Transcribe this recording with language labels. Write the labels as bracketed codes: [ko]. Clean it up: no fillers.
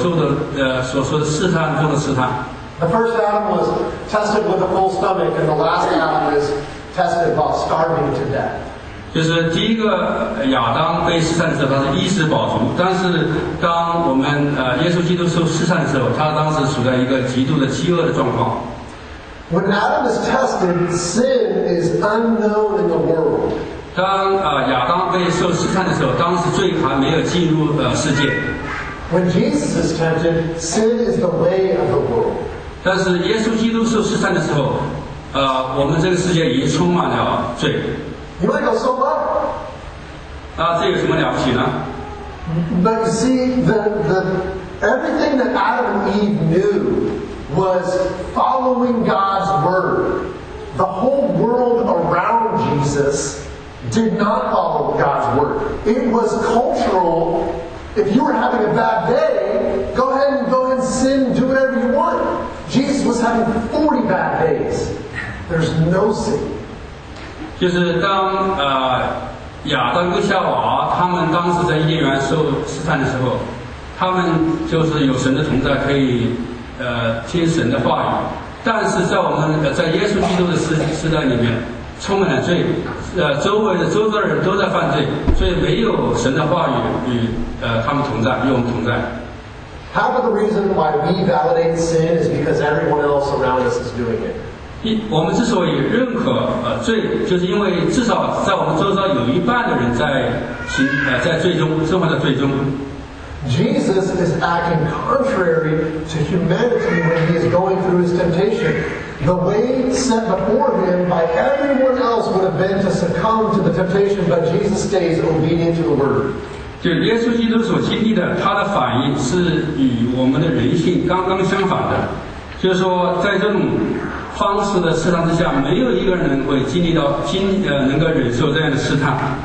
[zh] 就是一天在那地方待一天对我来说已经很难受了，但何况是耶稣在那待了40天。不仅如此，他会将所接受的试探是人类中所受的所说的试探中的试探。 [en] The first Adam was tested with a full stomach, and the last Adam is tested while starving to death. [zh] 就是第一个亚当被试探的时候，他是衣食饱足，但是当我们耶稣基督受试探的时候，他当时处在一个极度的饥饿的状况。 [en] When Adam is tested, sin is unknown in the world. [zh] 当亚当被受试探的时候，当时罪还没有进入世界。 [en] When Jesus is tempted, sin is the way of the world. [zh] 但是耶稣基督受试探的时候，我们这个世界已经充满了罪。 [en] You might go so what? [zh] 啊，这有什么了不起呢？ [en] But you see, everything that Adam and Eve knew was following God's word. The whole world around Jesus did not follow God's word. It was cultural. If you were having a bad day, go ahead and sin, do whatever you want. Jesus was having 40 bad days. There's no sin. [zh] 就是当亚当跟夏娃他们当时在伊甸园受试探的时候，他们就是有神的同在，可以听神的话语。但是在我们在耶稣基督的时代里面，充满了罪，周遭的人都在犯罪，所以没有神的话语与他们同在，与我们同在。 [en] Half of the reason why we validate sin is because everyone else around us is doing it. [zh] 我们之所以认可罪，就是因为至少在我们周遭有一半的人在罪中，生活在罪中。 [en] Jesus is acting contrary to humanity when he is going through his temptation. The way set before him by everyone else would have been to succumb to the temptation, but Jesus stays obedient to the word. [zh] 就耶稣基督所经历的，他的反应是与我们的人性刚刚相反的。就是说，在这种方式的试探之下，没有一个人会能够忍受这样的试探。